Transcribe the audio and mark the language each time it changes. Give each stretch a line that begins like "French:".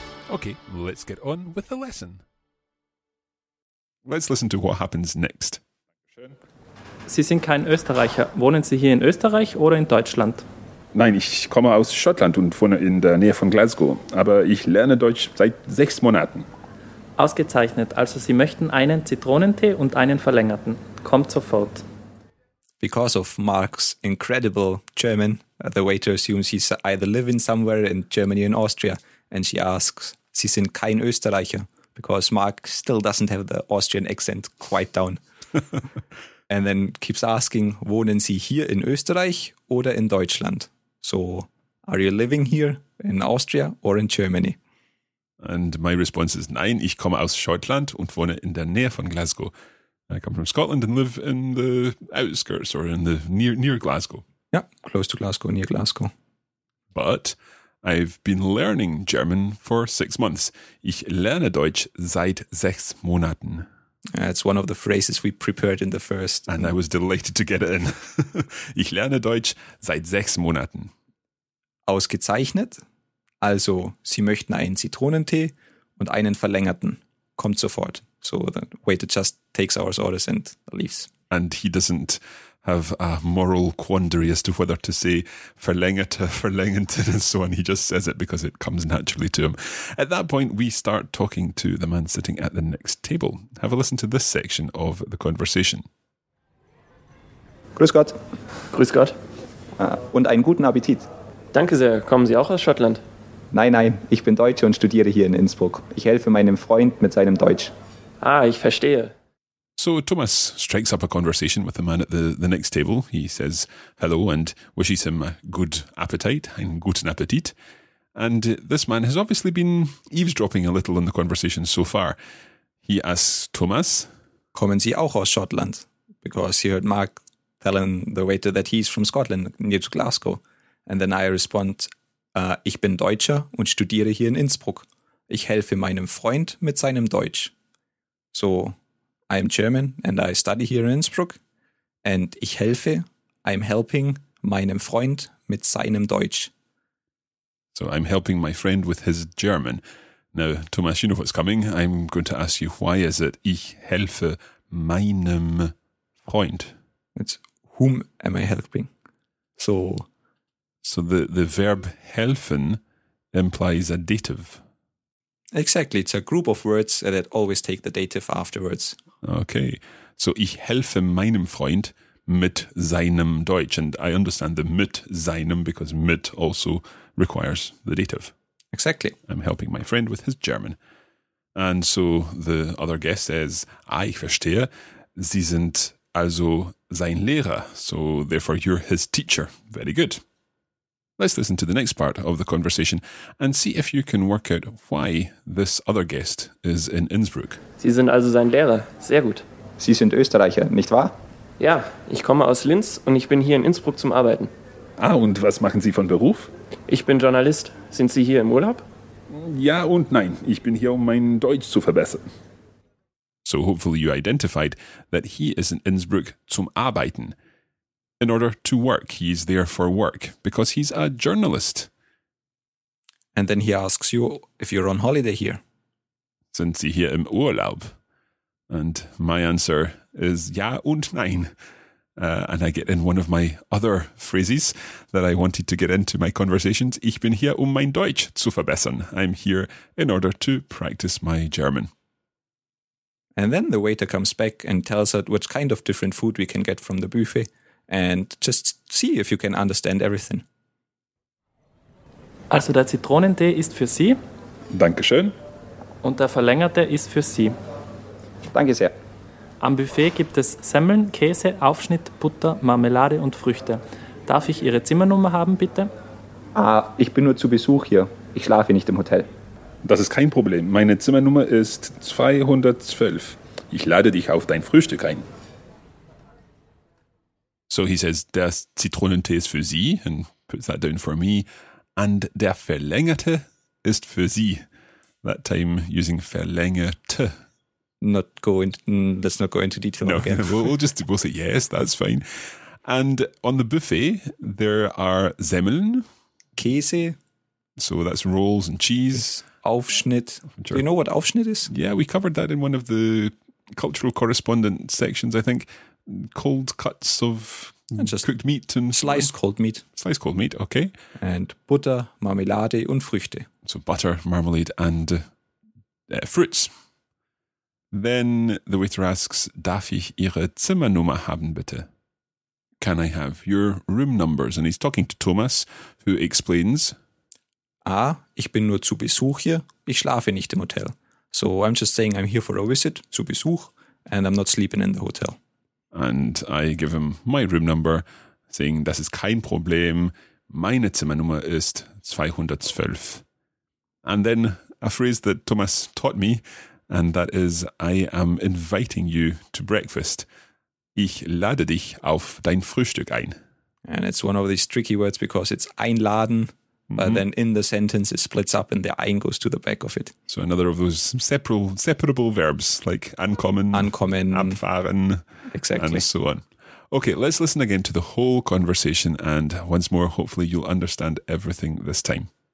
English: Okay, let's get on with the lesson. Let's listen to what happens next.
German: Sie sind kein Österreicher. Wohnen Sie hier in Österreich oder in Deutschland? Nein, ich komme aus Schottland und wohne in der Nähe von Glasgow. Aber ich lerne Deutsch seit 6 Monaten. Ausgezeichnet. Also Sie möchten einen Zitronentee und einen verlängerten. Kommt sofort.
English: Because of Mark's incredible German, the waiter assumes he's either living somewhere in Germany or in Austria. And she asks,
German: Sie sind kein Österreicher,
English: because Mark still doesn't have the Austrian accent quite down. And then keeps asking,
German: wohnen Sie hier in Österreich oder in Deutschland?
English: So, are you living here in Austria or in Germany? And my response is,
German: nein, ich komme aus Schottland und wohne in der Nähe von Glasgow.
English: I come from Scotland and live in the outskirts or in the near Glasgow. Yeah, close to Glasgow, near Glasgow. But I've been learning German for 6 months.
German: Ich lerne Deutsch seit 6 Monaten.
English: It's one of the phrases we prepared in the first. And I was delighted to get it in.
German: Ich lerne Deutsch seit 6 Monaten. Ausgezeichnet. Also, Sie möchten einen Zitronentee und einen verlängerten. Kommt sofort.
English: So the waiter just takes our orders and leaves. And he doesn't have a moral quandary as to whether to say verlängerte, verlängerten, and so on. He just says it because it comes naturally to him. At that point, we start talking to the man sitting at the next table. Have a listen to this section of the conversation.
German: Grüß Gott. Grüß Gott. Und einen guten Appetit. Danke sehr. Kommen Sie auch aus Schottland? Nein, nein. Ich bin Deutsche und studiere hier in Innsbruck. Ich helfe meinem Freund mit seinem Deutsch. Ah, ich verstehe.
English: So Thomas strikes up a conversation with the man at the next table. He says hello and wishes him a good appetite,
German: ein guten Appetit.
English: And this man has obviously been eavesdropping a little in the conversation so far. He asks Thomas,
German: kommen Sie auch aus Schottland?
English: Because he heard Mark telling the waiter that he's from Scotland, near to Glasgow. And then I respond,
German: ich bin Deutscher und studiere hier in Innsbruck. Ich helfe meinem Freund mit seinem Deutsch.
English: So, I'm German and I study here in Innsbruck and
German: ich helfe,
English: I'm helping
German: meinem Freund mit seinem Deutsch.
English: So I'm helping my friend with his German. Now, Thomas, you know what's coming. I'm going to ask you, why is it ich helfe meinem Freund? It's whom am I helping? So the verb helfen implies a dative. Exactly. It's a group of words that always take the dative afterwards. Okay, so
German: ich helfe meinem Freund mit seinem Deutsch.
English: And I understand the
German: mit seinem
English: because mit also requires the dative. Exactly. I'm helping my friend with his German. And so the other guest says,
German: ich verstehe, Sie sind also sein Lehrer.
English: So therefore you're his teacher. Very good. Let's listen to the next part of the conversation and see if you can work out why this other guest is in Innsbruck.
German: Sie sind also sein Lehrer. Sehr gut. Sie sind Österreicher, nicht wahr? Ja, ich komme aus Linz und ich bin hier in Innsbruck zum Arbeiten. Ah, und was machen Sie von Beruf? Ich bin Journalist. Sind Sie hier im Urlaub? Ja und nein. Ich bin hier, um mein Deutsch zu verbessern.
English: So hopefully you identified that he is in Innsbruck
German: zum Arbeiten.
English: In order to work, he's there for work, because he's a journalist. And then he asks you if you're on holiday here.
German: Sind Sie hier im Urlaub?
English: And my answer is
German: ja und nein.
English: And I get in one of my other phrases that I wanted to get into my conversations.
German: Ich bin hier, um mein Deutsch zu verbessern.
English: I'm here in order to practice my German. And then the waiter comes back and tells us which kind of different food we can get from the buffet. and just see if you can understand everything.
German: Also der Zitronentee ist für Sie. Dankeschön. Und der verlängerte ist für Sie. Danke sehr. Am Buffet gibt es Semmeln, Käse, Aufschnitt, Butter, Marmelade und Früchte. Darf ich Ihre Zimmernummer haben, bitte? Ich bin nur zu Besuch hier. Ich schlafe nicht im Hotel. Das ist kein Problem. Meine Zimmernummer ist 212. Ich lade dich auf dein Frühstück ein.
English: So he says,
German: der Zitronentee ist für Sie,
English: and puts that down for me.
German: And der verlängerte ist für Sie.
English: That time using verlängerte. Let's not go into detail again. we'll say yes, that's fine. And on the buffet, there are Semmeln.
German: Käse.
English: So that's rolls and cheese. Aufschnitt. Sure. Do you know what Aufschnitt is? Yeah, we covered that in one of the cultural correspondent sections, I think. Cold cuts of just cooked meat. And sliced cold meat. Sliced cold meat, okay.
German: And Butter, Marmelade und Früchte.
English: So butter, marmalade and fruits. Then the waiter asks,
German: darf ich Ihre Zimmernummer haben, bitte?
English: Can I have your room numbers? And he's talking to Thomas, who explains.
German: Ich bin nur zu Besuch hier. Ich schlafe nicht im Hotel.
English: So I'm just saying I'm here for a visit,
German: zu Besuch,
English: and I'm not sleeping in the hotel. And I give him my room number, saying,
German: das ist kein Problem. Meine Zimmernummer ist 212.
English: And then a phrase that Thomas taught me, and that is, I am inviting you to breakfast.
German: Ich lade dich auf dein Frühstück ein.
English: And it's one of these tricky words because it's einladen, mm-hmm. but then in the sentence it splits up and the ein goes to the back of it. So another of those separable verbs like ankommen, abfahren, exactly. and so on. Okay, let's listen again to the whole conversation and once more, hopefully you'll understand everything this time.